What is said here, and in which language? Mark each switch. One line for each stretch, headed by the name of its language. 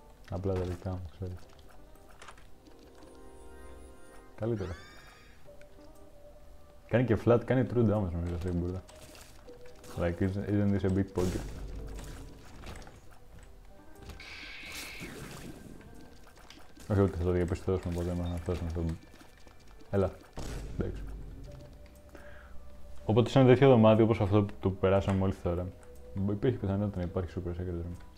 Greek: Απλά τα δικά μου, sorry. Καλύτερα. Κάνει και flat, κάνει true damage νομίζω αυτή η μπουρδα.
English: Like, isn't this a big pocket?
Greek: Όχι ότι θα το διαπιστώσουμε ποτέ μας να φτάσουμε στο... Έλα, εντάξει. Οπότε σε ένα τέτοιο δωμάτιο όπως αυτό που περάσαμε μόλις τώρα, υπήρχε πιθανότητα να υπάρχει super secret room.